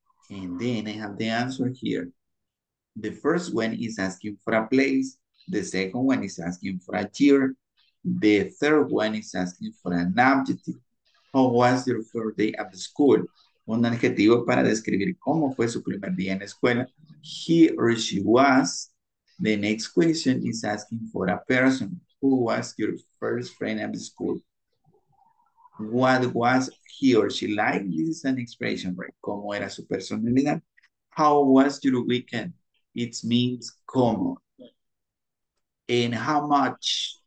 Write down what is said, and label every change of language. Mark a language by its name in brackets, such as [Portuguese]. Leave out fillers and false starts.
[English] And then I have the answer here. The first one is asking for a place. The second one is asking for a year. The third one is asking for an adjective. How was your first day at the school? [Spanish] Un adjetivo para describir cómo fue su primer día en la escuela. [English] He or she was. The next question is asking for a person. Who was your first friend at the school? What was he or she like? This is an expression, right? [Spanish] ¿Cómo era su personalidad? [English] How was your weekend? It means cómo. And how much?